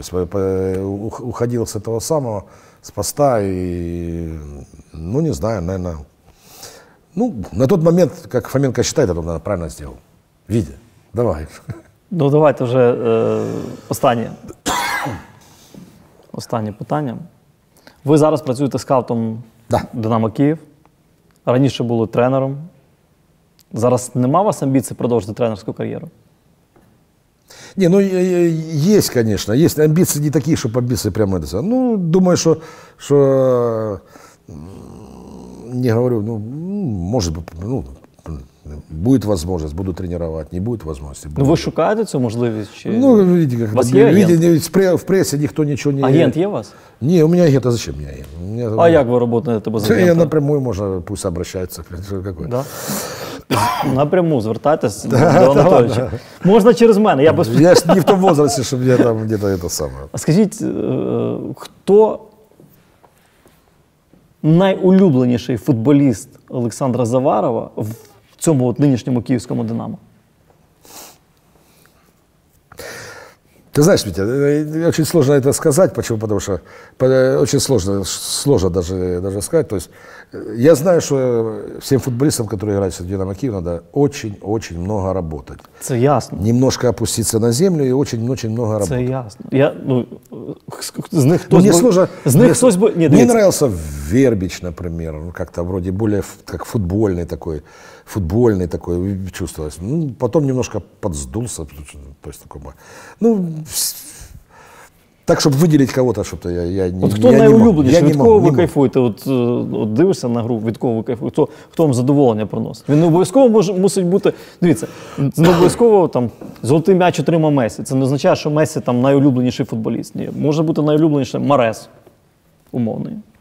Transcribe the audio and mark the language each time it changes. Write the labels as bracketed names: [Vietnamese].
[Russian] То есть уходил с этого самого, с поста, и, ну не знаю, наверное, ну на тот момент, как Фоменко считает, это он, наверное, правильно сделал. Витя, давай. Ну давайте уже останнее. [Ukrainian] Останнє питання. Ви зараз працюєте скаутом, [Russian] да, [Ukrainian] «Динамо Київ», раніше були тренером. Зараз нема у вас амбіцій продовжити тренерську кар'єру? Ні, ну є, звісно, є. Амбіції не такі, щоб амбіції прямо йдуться. [Russian] Ну, [Ukrainian] думаю, що не говорю, ну, може, [Russian] ну, будет возможность, буду тренировать, не будет возможности. Ну, вы шукаете эту возможность? [Ukrainian] Чи... [Russian] Ну, видите, как видите, в прессе никто ничего не... Агент есть у вас? Нет, у меня агент, а зачем мне агент? А как вы работаете без агента? Я напрямую, можно, пусть обращается. Какой. Да. Напрямую, [Ukrainian] звертайтесь до [Russian] Анатольевича. Можно через меня, я бы... Я не в том возрасте, чтобы мне там где-то это самое. А скажите, кто [Ukrainian] найулюбленіший футболіст Олександра Заварова в цьому от нинішньому київському «Динамо»? Ти знаєш, Вітя, дуже складно це сказати, чому? Тому що дуже складно навіть сказати. Тобто, я знаю, що всім футболістам, які грають в «Динамо Київ», треба дуже-дуже багато працювати. Це ясно. Немножко опуститися на землю і дуже-дуже багато працювати. Це ясно. Я, ну, з них хтось, ну, [Russian] сложно, [Ukrainian] з них хтось би... Мені подобався Вербіч, наприклад, як-то вроде більше як футбольний такий. [Russian] Футбольный такой, чувствовалось. Ну, потом немножко подздулся, то есть такой. Ну, так, чтобы выделить кого-то, чтобы я не могу. Кто наилюбленнейший? [Ukrainian] Від кого ви кайфуєте? От дивишся на гру, від кого ви кайфуєте? Хто вам задоволення приносить? Він не обов'язково мусить бути, дивіться, не обов'язково там золотий м'яч отримав Месі. Це не означає, що Месі там найулюбленіший футболіст. Ні, може бути найулюбленіший Марес, умовний.